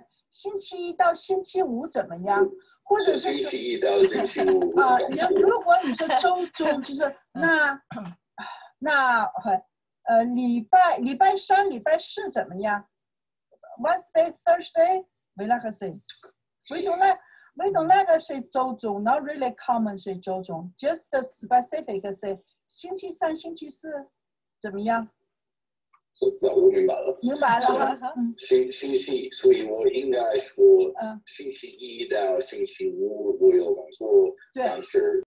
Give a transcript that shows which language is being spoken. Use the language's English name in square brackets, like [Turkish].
[Chinese] to。星期一到星期五怎么样？或者是星期一到星期五。啊，你要如果你说周中，就是那，礼拜三、礼拜四怎么样 [English] ？Wednesday, Thursday。 We like to say, we don't like to say 周中, not really common say 周中, just the specific say [Chinese] 星期三、星期四怎么样? 我明白了。明白了。星期，所以我应该说星期一到星期五我有工作，但是。